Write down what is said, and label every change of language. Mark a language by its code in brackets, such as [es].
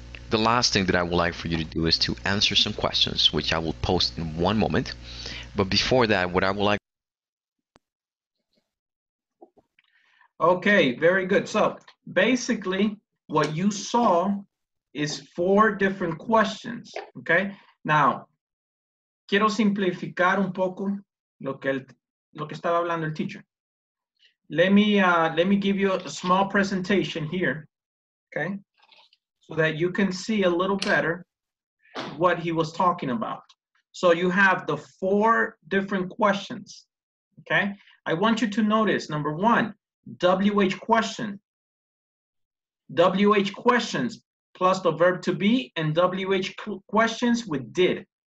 [en] The last thing that I would like for you to do is to answer some questions, which I will post in one moment. But before that, what I would like. Okay, very good. So basically what you saw is four different questions, okay? [es] Now, quiero simplificar un poco lo que estaba hablando el teacher. [en] Let me give you a small presentation here, okay? So that you can see a little better what he was talking about. So you have the four different questions, okay? I want you to notice, number one, WH questions plus the verb to be, and WH questions with did.